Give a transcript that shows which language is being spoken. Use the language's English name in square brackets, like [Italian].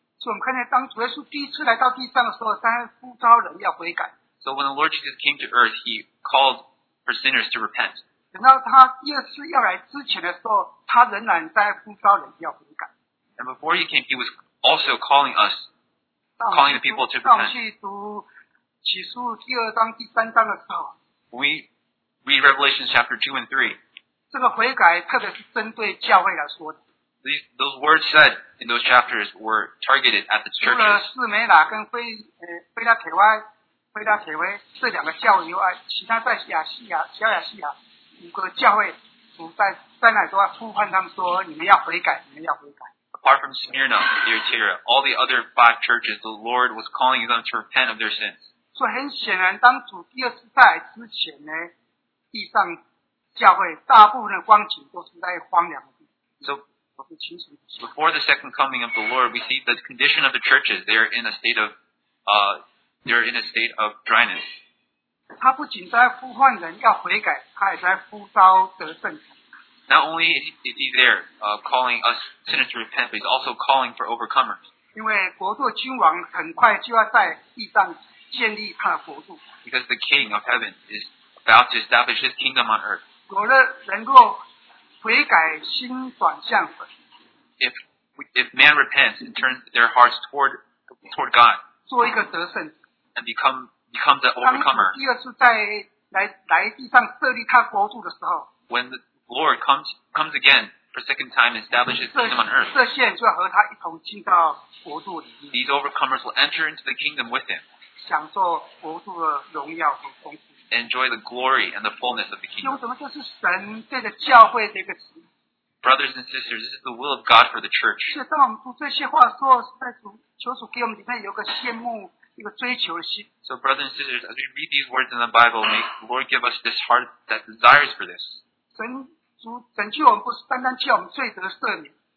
[English] So we [Chinese] 看见当主耶稣第一次来到地上的时候，当然呼召人要悔改。 [English] So when the Lord Jesus came to earth, he called for sinners to repent. [Chinese] 等到他第二次要来之前的时候，他仍然在呼召人要悔改。 [English] And before he came, he was also calling us, calling the people to repent. [Chinese] 启示录第二章第三章的时候 [English] ，We read Revelation chapter 2 and 3. [Chinese] 这个悔改特别是针对教会来说的。 [English] Those words said in those chapters were targeted at the churches. [Chinese] 除了士美拉跟腓立铁威这两个教会以外，其他在小亚细亚五个教会，主在那都要呼唤他们说：你们要悔改，你们要悔改。 [English] Apart from Smyrna, Thyatira, all the other five churches, the Lord was calling them to repent of their sins. [Chinese] 所以很显然，当主第二次再来之前呢，地上教会大部分的光景都是在荒凉的地方。 [English] So before the second coming of the Lord, we see the condition of the churches. They're in a state of dryness. [Chinese] 他不仅在呼唤人要悔改，他也在呼召得胜。 [English] Not only is he there, calling us sinners to repent, but he's also calling for overcomers. [Chinese] 因为国度君王很快就要在地上。 [English] Because the King of Heaven is about to establish His kingdom on earth. [Chinese] 有的能够悔改心转向神。 [English] If man repents and turns their hearts toward God, [Chinese] 做一个得胜 [English] and become the overcomer. [Chinese] 当第二次在来地上设立他国度的时候 [English] ，When the Lord comes again for second time and establishes His kingdom on earth, [Chinese] 这些人就要和他一同进到国度里面。 [English] These overcomers will enter into the kingdom with Him. [Chinese] 享受国度的荣耀和丰富。 [English] Enjoy the glory and the fullness of the kingdom. [Chinese] 什么就是神对着教会的一个旨意。 [English] Brothers and sisters, this is the will of God for the church. [Chinese] 是当我们读这些话的时候，是在求主给我们里面有个羡慕、一个追求的心。 [English] So brothers and sisters, as we read these words in the Bible, may the Lord give us this heart that desires for this. [Chinese] 神主拯救我们，不是单单叫我们罪得赦免。